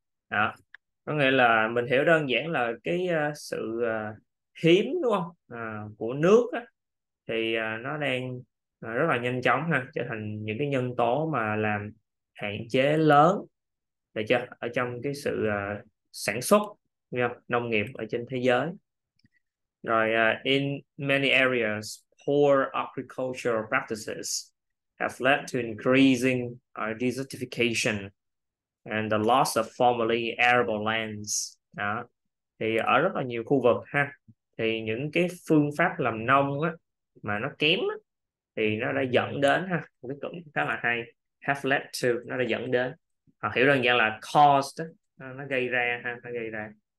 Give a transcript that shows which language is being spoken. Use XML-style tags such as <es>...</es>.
<vi>Đó, có nghĩa là mình hiểu đơn giản là cái sự hiếm đúng không, của nước á, thì nó đang rất là nhanh chóng ha, trở thành những cái nhân tố mà làm hạn chế lớn, được chưa, ở trong cái sự sản xuất nông nghiệp ở trên thế giới. Rồi,</vi> <en>in many areas, poor agricultural practices have led to increasing desertification and the loss of formerly arable lands.</en> <vi>Đó, thì ở rất là nhiều khu vực ha, thì những cái phương pháp làm nông á mà nó kém á, thì nó đã dẫn đến ha, một cái cụm khá là hay,</vi> <en>have led to,</en> <vi>nó đã dẫn đến, hoặc hiểu đơn giản là caused đó, nó gây ra ha, nó gây ra.</vi>